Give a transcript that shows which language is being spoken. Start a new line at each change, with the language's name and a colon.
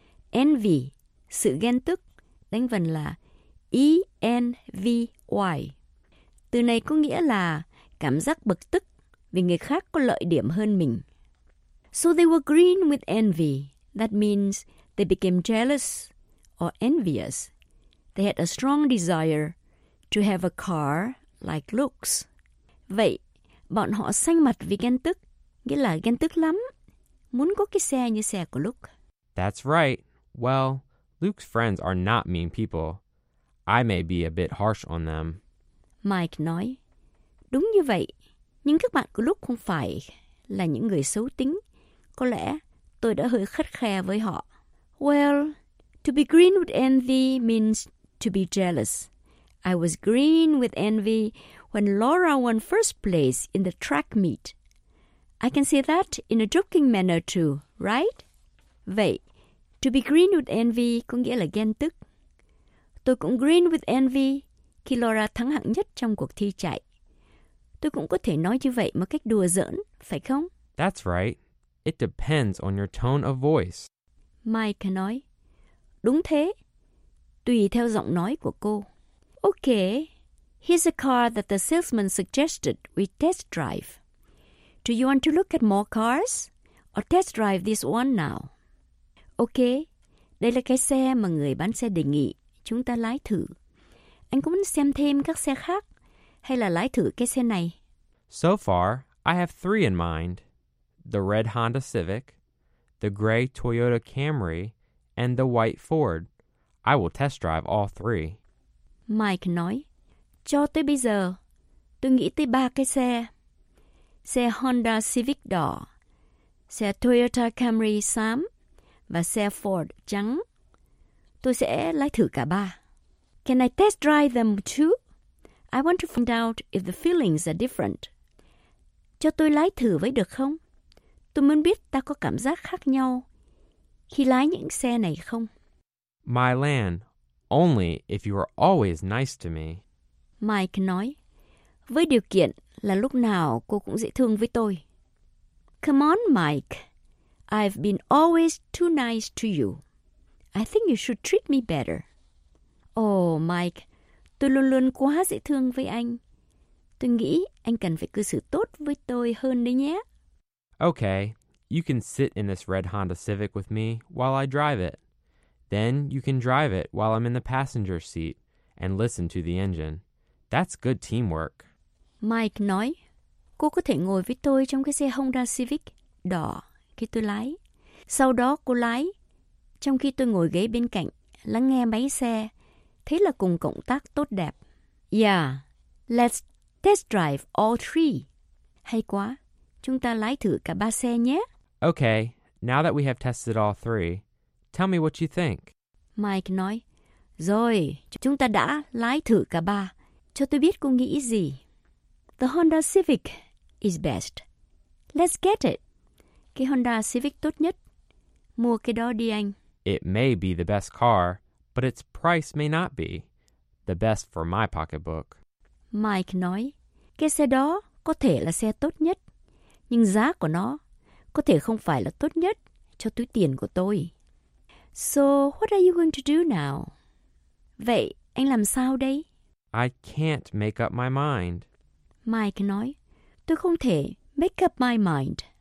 Vietnamese: Envy, sự ghen tức, đánh vần là E-N-V-Y. Từ này có nghĩa là cảm giác bực tức vì người khác có lợi điểm hơn mình.
English: So they were green with envy. That means they became jealous or envious. They had a strong desire to have a car like Luke's.
Vietnamese: Vậy, bọn họ xanh mặt vì ghen tức, nghĩa là ghen tức lắm, muốn có cái xe như xe của Luke.
English: That's right. Well, Luke's friends are not mean people. I may be a bit harsh on them.
Vietnamese: Mike nói, đúng như vậy, nhưng các bạn của Luke không phải là những người xấu tính. Có lẽ tôi đã hơi khắt khe với họ.
English: Well, to be green with envy means to be jealous. I was green with envy when Laura won first place in the track meet. I can say that in a joking manner too, right?
Vietnamese: Vậy,
English: to be green with envy
Vietnamese: có nghĩa là ghen tức. Tôi cũng
English: green with envy
Vietnamese: khi Laura thắng hạng nhất trong cuộc thi chạy. Tôi cũng có thể nói như vậy một cách đùa giỡn, phải không?
English: That's right. It depends on your tone of voice.
Vietnamese: Mike nói, đúng thế, tùy theo giọng nói của cô.
English: Okay, here's a car that the salesman suggested we test drive. Do you want to look at more cars or test drive this one now?
Vietnamese: Okay, đây là cái xe mà người bán xe đề nghị chúng ta lái thử. Anh có muốn xem thêm các xe khác hay là lái thử cái xe này?
English: So far, I have three in mind. The red Honda Civic, the gray Toyota Camry, and the white Ford. I will test drive all three.
Vietnamese: Mike nói, cho tới bây giờ, tôi nghĩ tới ba cái xe. Xe Honda Civic đỏ, xe Toyota Camry xám và xe Ford trắng. Tôi sẽ lái thử cả ba.
English: Can I test drive them too? I want to find out if the feelings are different.
Vietnamese: Cho tôi lái thử với được không? Tôi muốn biết ta có cảm giác khác nhau khi lái những xe này không?
English: My land, only if you are always nice to me.
Vietnamese: Mike nói, với điều kiện là lúc nào cô cũng dễ thương với tôi.
English: Come on, Mike. I've been always too nice to you. I think you should treat me better.
Vietnamese: Oh, Mike, tôi luôn luôn quá dễ thương với anh. Tôi nghĩ anh cần phải cư xử tốt với tôi hơn đấy nhé.
English: Okay, you can sit in this red Honda Civic with me while I drive it. Then you can drive it while I'm in the passenger seat and listen to the engine. That's good teamwork.
Vietnamese: Mike nói, cô có thể ngồi với tôi trong cái xe Honda Civic đỏ khi tôi lái. Sau đó cô lái, trong khi tôi ngồi ghế bên cạnh, lắng nghe máy xe. Thế là cùng cộng tác tốt đẹp.
English: Yeah, let's test drive all three.
Vietnamese: Hay quá, chúng ta lái thử cả ba xe nhé.
English: Okay, now that we have tested all three, tell me what you think.
Vietnamese: Mike nói, rồi, chúng ta đã lái thử cả ba. Cho tôi biết cô nghĩ gì.
English: The Honda Civic is best. Let's get it.
Vietnamese: Cái Honda Civic tốt nhất. Mua cái đó đi anh.
English: It may be the best car, but its price may not be the best for my pocketbook.
Vietnamese: Mike nói, cái xe đó có thể là xe tốt nhất, nhưng giá của nó có thể không phải là tốt nhất cho túi tiền của tôi.
English: So, what are you going to do now?
Vietnamese: Vậy, anh làm sao đây?
English: I can't make up my mind.
Vietnamese: Mike nói, tôi không thể
English: make up my mind.